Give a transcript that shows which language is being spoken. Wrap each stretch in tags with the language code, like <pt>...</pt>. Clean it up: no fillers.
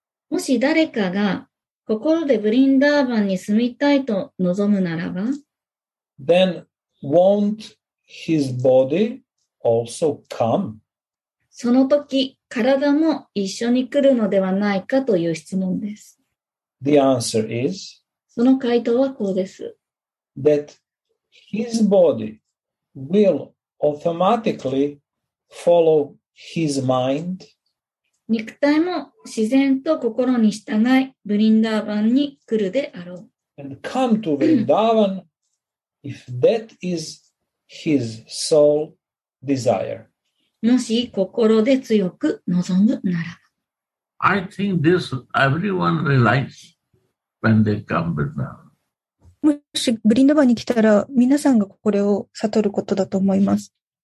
<ja>もし誰かが心でブリンダーバンに住みたいと望むならば。</ja> <en>Then won't His body also come.</en> <ja>その時、体も一緒に来るのではないかという質問です。</ja> <en>The answer is,</en> <ja>その回答はこうです。</ja> <en>That his body will automatically follow his mind.</en> <ja>肉体も自然と心に従い、ブリンダーバンに来るであろう。</ja> <en>And come to Vrindavan if that is His soul desire.</en> <ja>もし心で強く望むならば。</ja> <en>I think this everyone realizes when they come to Vrindavan.</en> <ja>もしブリンダバンに来たら皆さんがこれを悟ることだと思います。</ja>